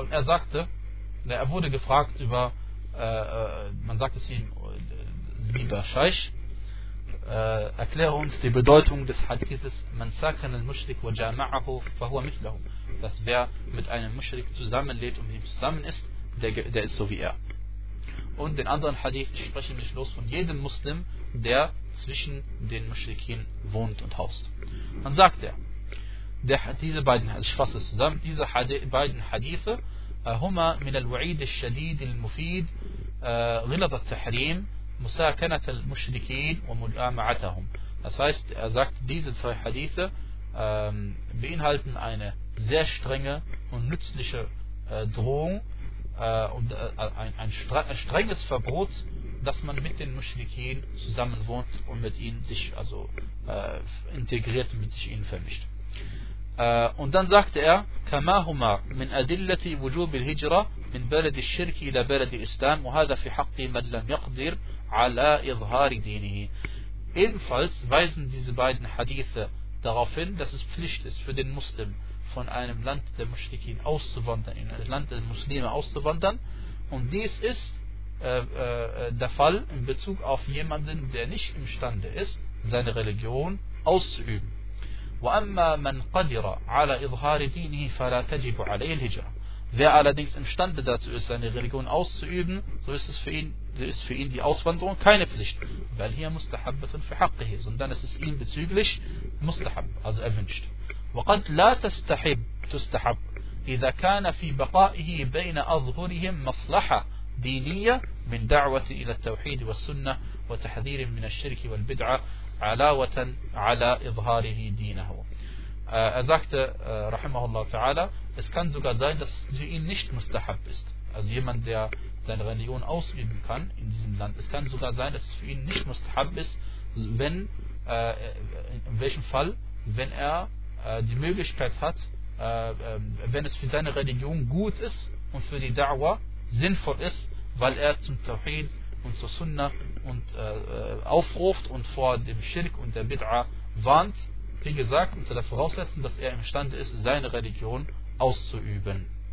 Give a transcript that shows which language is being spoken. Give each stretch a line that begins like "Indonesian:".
German: Und er sagte, er wurde gefragt über, man sagt es ihm, lieber Scheich, erkläre uns die Bedeutung des Hadithes,
Arabic: man sakana al-Mushrik wa jama'ahu fa huwa mithluhu.
German: Das heißt, wer mit einem Mushrik zusammenlebt und mit ihm zusammen ist, der ist so wie er. Und den anderen Hadith, ich spreche mich los von jedem Muslim, der zwischen den Mushrikin wohnt und haust. Dann sagt er, diese beiden Hadithe,
Arabic: هما من الوعيد الشديد المفيد غلظ التحريم مساكنة المشركين ومجامعتهم.
German: Das heißt, er sagt, diese zwei Hadithe beinhalten eine sehr strenge und nützliche Drohung und ein strenges Verbot, dass man mit den Mushrikin zusammen wohnt und mit ihnen sich also integriert, mit sich ihnen vermischt. Und dann sagte er,
Arabic: كَمَا هُمَا مِنْ أَدِلَّةِ وُجُوبِ الْهِجْرَةِ مِنْ بَلَدِ الشِّرْكِ إِلَى بَلَدِ الْإِسْلَامِ وَهَذَا فِي حَقِّ مَنْ لَمْ يَقْدِرْ عَلَىٰ إِظْهَارِ دِينِهِ.
German: Ebenfalls weisen diese beiden Hadithe darauf hin, dass es Pflicht ist für den Muslim, von einem Land der Mushrikin auszuwandern, in ein Land der Muslime auszuwandern. Und dies ist der Fall in Bezug auf jemanden, der nicht imstande ist, seine Religion auszuüben.
Arabic: وَأَمَّا مَنْ قَدِرَ عَلَىٰ إِظْهَارِ دِينِهِ فَلَا تَجِبُ عَلَيْهِ الْهِجْرَةِ.
German: Wer allerdings imstande dazu ist, seine Religion auszuüben, so ist es für ihn die Auswanderung keine Pflicht. Weil hier
Arabic: مُسْتَحَبَّةٌ فِي حَقِّهِ.
German: Sondern es ist ihm bezüglich مُسْتَحَبْ, also erwünscht.
Arabic: وَقَدْ لَا تُسْتَحَبْ إِذَا كَانَ فِي بَقَائِهِ بَيْنَ أَظْهُرِهِمْ مَصْلَحَةً دِينِيَّةً مِنْ دَعْوَةٍ إِلَى التَّوْحِيدِ وَالسُّنَّةِ وَتَحْذِيرٍ مِنَ الشِّرْكِ وَالْبِدْعَةِ Alawatan ala idharihi dinahu.
German: Er sagte, rahimahullah ta'ala, es kann sogar sein, dass sie ihm nicht mustahab ist. Also jemand, der seine Religion ausüben kann in diesem Land, es kann sogar sein, dass es für ihn nicht mustahab ist, wenn es für seine Religion gut ist und für die Da'wah sinnvoll ist, weil er zum Tawhid und zur Sunna und aufruft und vor dem Schirk und der Bid'ah warnt, wie gesagt, unter der Voraussetzung, dass er imstande ist, seine Religion auszuüben.